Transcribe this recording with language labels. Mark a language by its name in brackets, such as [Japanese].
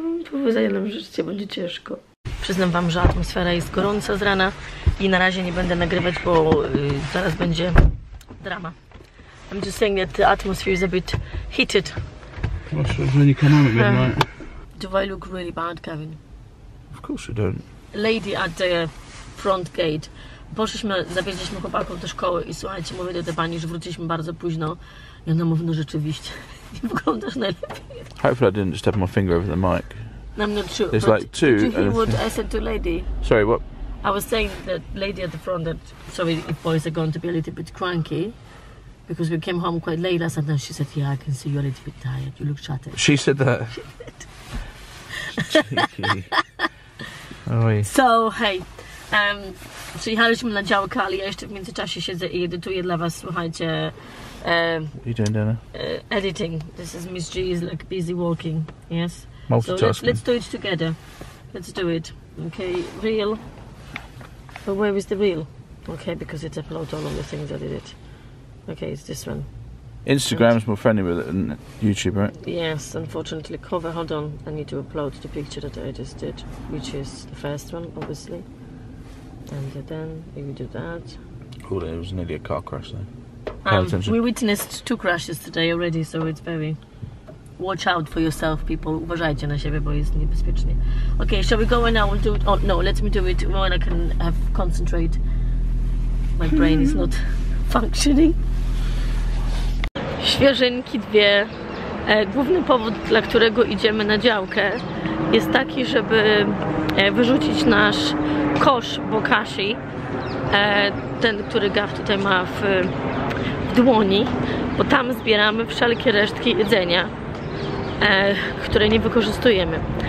[Polish] Powiedziałem, że życie będzie ciężko. Przyznam wam, że atmosfera jest gorąca z rana i na razie nie będę nagrywać, bo zaraz będzie drama. [English] I'm just saying that the atmosphere is a bit heated. [Polish] Proszę, że nie kamamy w [English] Do I look really bad, Kevin? Of course you don't. Lady at the front gate. [Polish] Poszliśmy, zawieźliśmy chłopaków do szkoły i słuchajcie, mówię do tej pani, że wróciliśmy bardzo późno. I ona mówi, no rzeczywiście, nie wyglądasz najlepiej. [English] Hopefully I didn't just have my finger over the mic. No, I'm not sure. It's like two. Did you hear what I said to lady? Sorry, what? I was saying that lady at the front, that sorry if boys are going to be a little bit cranky, because we came home quite late last night and she said, yeah, I can see you're a little bit tired, you look shattered. She said that? Oj. [Polish] So, hej, przyjechaliśmy na działkę, ale ja jeszcze w międzyczasie siedzę i edytuję dla was, słuchajcie. [English] What are you doing, Dana? Editing. This is Miss G, is like busy walking, yes? Multitasking. So let's do it together. Let's do it. Okay, reel. But where is the reel? Okay, because it's upload all of the things I did it. Okay, it's this one. Instagram's more friendly with it than YouTube, right? Yes, unfortunately. Cover, hold on. I need to upload the picture that I just did, which is the first one, obviously. And then, if you do that... Cool, it was nearly a car crash there. We witnessed two crashes today already, so it's very... Watch out for yourself, people. [Polish] Uważajcie na siebie, bo jest niebezpiecznie. [English] Okay, shall we go and I will do it? Oh, no, let me do it when I can have concentrate. My brain is not functioning. [Polish] Świeżynki dwie. Główny powód, dla którego idziemy na działkę, jest taki, żeby wyrzucić nasz kosz bokashi, ten, który Gaw tutaj ma w dłoni, bo tam zbieramy wszelkie resztki jedzenia, które nie wykorzystujemy.